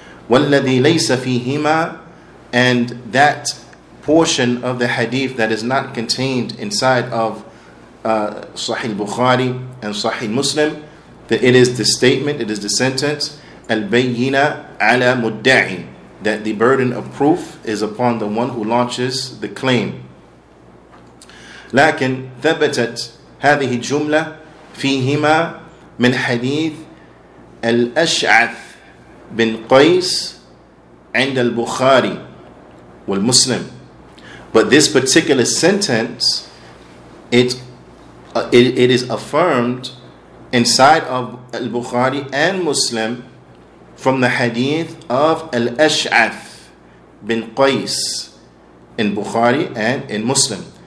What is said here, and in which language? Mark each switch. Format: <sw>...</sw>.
<ar>وَالَّذِي لَيْسَ فِيهِمَا,</ar> <en>and that portion of the hadith that is not contained inside of Sahih Bukhari and Sahih Muslim, that it is the statement, it is the sentence, Al-Bayyina ala Mudda'i, that the burden of proof is upon the one who launches the claim.</en> <ar>لكن ثبتت هذه الجملة فيهما من حديث الأشعث بن قيس عند البخاري والمسلم.</ar> <en>But this particular sentence, it is affirmed inside of al-Bukhari and Muslim from the hadith of al-Ash'ath bin Qais in Bukhari and in Muslim.</en>